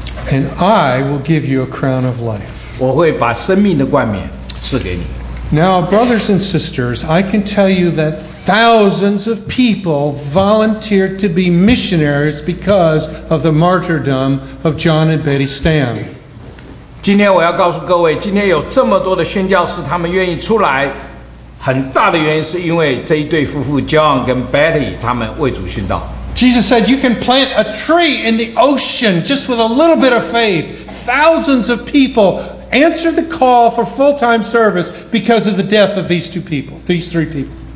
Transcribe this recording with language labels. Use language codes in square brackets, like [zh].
[en] and I will give you a crown of life. [zh] 我会把生命的冠冕赐给你。 [en] Now, brothers and sisters, I can tell you that thousands of people volunteered to be missionaries because of the martyrdom of John and Betty Stam. [zh] 今天我要告诉各位，今天有这么多的宣教士，他们愿意出来，很大的原因是因为这一对夫妇John跟Betty他们为主殉道。 [en] Jesus said, you can plant a tree in the ocean just with a little bit of faith. Thousands of people answered the call for full-time service because of the death of these two people, these three people.